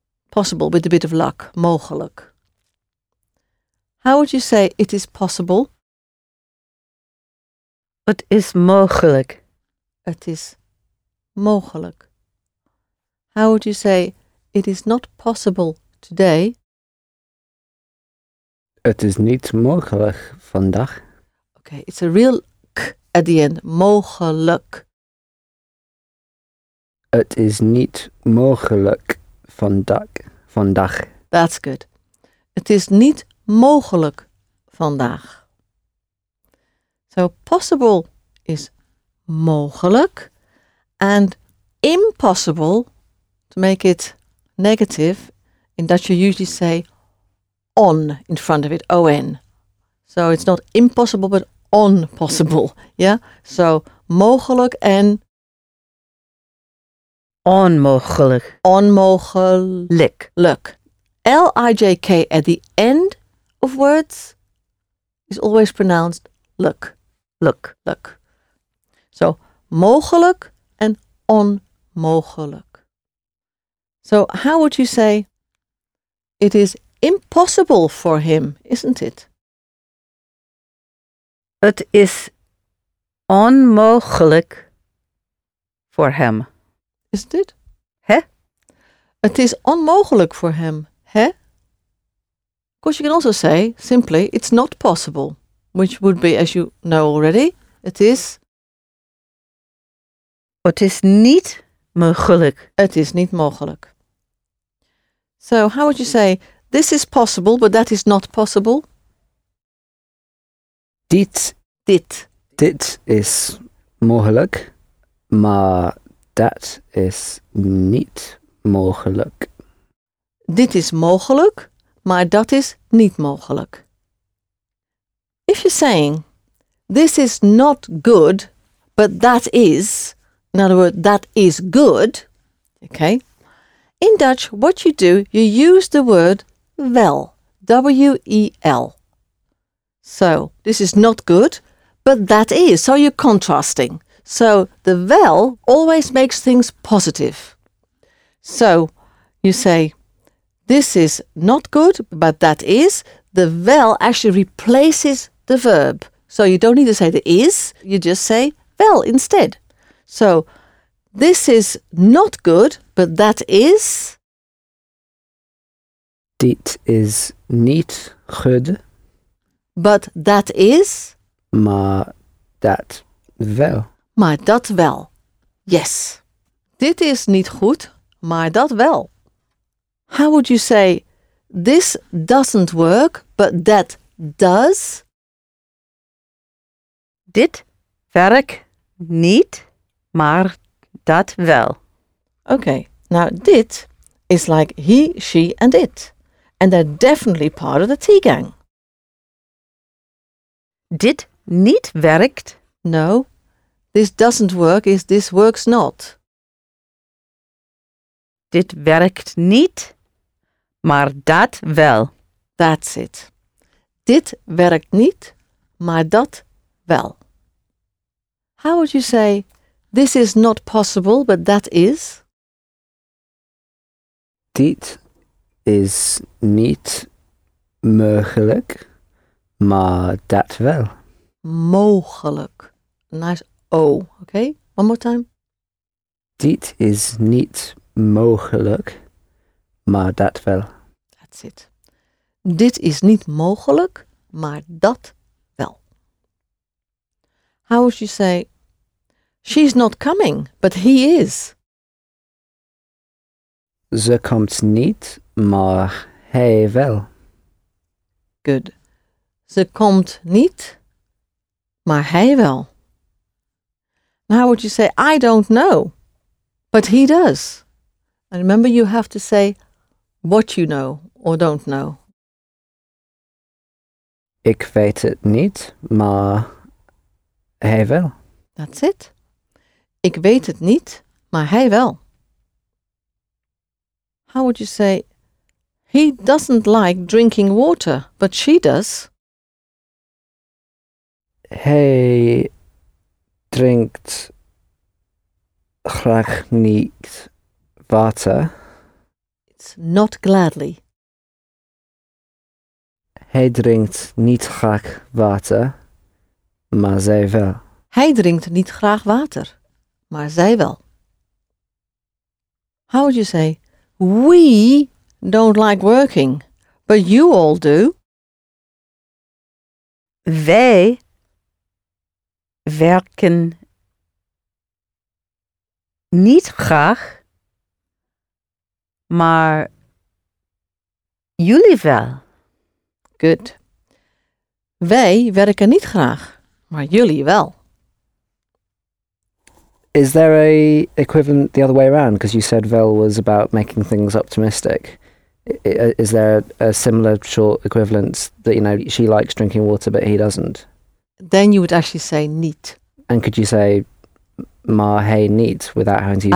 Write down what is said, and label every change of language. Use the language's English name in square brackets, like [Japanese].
[English] Possible with a bit of luck. Mogelijk. How would you say it is possible? [Dutch] Het is mogelijk. Het is mogelijk. [English] How would you say it is not possible today? [Dutch] Het is niet mogelijk vandaag. [English] Okay, it's a real k at the end. [Dutch] Mogelijk. Het is niet mogelijk vandaag. [English] That's good. [Dutch] Het is niet mogelijk vandaag. [English] So possible is [Dutch] mogelijk. [English] And impossible, to make it negative, in Dutch you usually say on in front of it, O-N. So it's not impossible, but on possible. Yeah? [Dutch] So mogelijk en... onmogelijk. [English] Onmogelijk. Look. L-I-J-K at the end of words is always pronounced look. Look. Look. [Dutch] So, mogelijk en onmogelijk. [English] So, how would you say it is impossible for him, isn't it? [Dutch] Het is onmogelijk voor hem. [English] Isn't it? [Dutch] Hè? Het is onmogelijk voor hem. Hè? [English] Of course, you can also say, simply, it's not possible. Which would be, as you know already, it is... [Dutch] Het is niet mogelijk. Het is niet mogelijk. [English] So, how would you say, this is possible, but that is not possible? [Dutch] Dit is mogelijk, maar... Dat is niet mogelijk. Dit is mogelijk, maar dat is niet mogelijk. [English] If you're saying, this is not good, but that is, in other words, that is good, okay? In Dutch, what you do, you use the word wel, W-E-L. So, this is not good, but that is, so you're contrasting. So, the wel always makes things positive. So, you say, this is not good, but that is. The wel actually replaces the verb. So, you don't need to say the is, you just say wel instead. So, this is not good, but that is. [Dutch] Dit is niet goed. [English] But that is. [Dutch] Maar dat wel. Maar dat wel. Yes. Dit is niet goed, maar dat wel. [English] How would you say, this doesn't work, but that does? [Dutch] Dit werkt niet, maar dat wel. [English] Okay. Now, dit is like he, she, and it. And they're definitely part of the T gang. [Dutch] Dit niet werkt. [English] No. This doesn't work is this works not. [Dutch] Dit werkt niet, maar dat wel. [English] That's it. [Dutch] Dit werkt niet, maar dat wel. [English] How would you say, this is not possible, but that is? [Dutch] Dit is niet mogelijk, maar dat wel. [English] Mogelijk. Nice. Oh, okay. One more time. [Dutch] Dit is niet mogelijk, maar dat wel. [English] That's it. [Dutch] Dit is niet mogelijk, maar dat wel. [English] How would you say, she's not coming, but he is? [Dutch] Ze komt niet, maar hij wel. [English] Good. [Dutch] Ze komt niet, maar hij wel. [English] How would you say, I don't know, but he does? And remember, you have to say what you know or don't know. [Dutch] Ik weet het niet, maar hij wel. [English] That's it. [Dutch] Ik weet het niet, maar hij wel. [English] How would you say, he doesn't like drinking water, but she does? [Dutch] Hij drinkt graag niet water. [English] It's not gladly. [Dutch] Hij drinkt niet graag water, maar zij wel. Hij drinkt niet graag water, maar zij wel. [English] How would you say, we don't like working, but you all do? [Dutch] Wij werken niet graag, maar jullie wel. [English] Good. [Dutch] Wij werken niet graag, maar jullie wel. [English] Is there a equivalent the other way around? Because you said wel was about making things optimistic. Is there a similar short equivalent that, you know, she likes drinking water but he doesn't? Then you would actually say niet. And could you say [Dutch] maar hij niet [English] without having to use